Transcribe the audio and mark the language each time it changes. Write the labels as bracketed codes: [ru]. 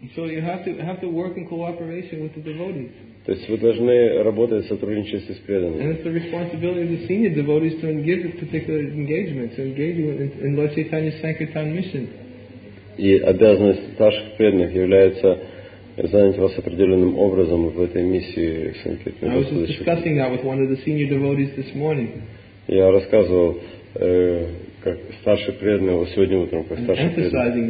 [en] So you have to work in cooperation with the devotees. [ru] То есть вы должны работать в сотрудничестве с преданными. [en] And it's the responsibility of the senior devotees to engage in particular engagements, engagement in Lord Chaitanya's Sankirtan mission. [ru] И обязанность старших преданных является занять вас определенным образом в этой миссии Санкиртана. [en] I was just discussing that with one of the senior devotees this morning. [ru] Я рассказывал, как старший преданный сегодня утром, как старший преданный.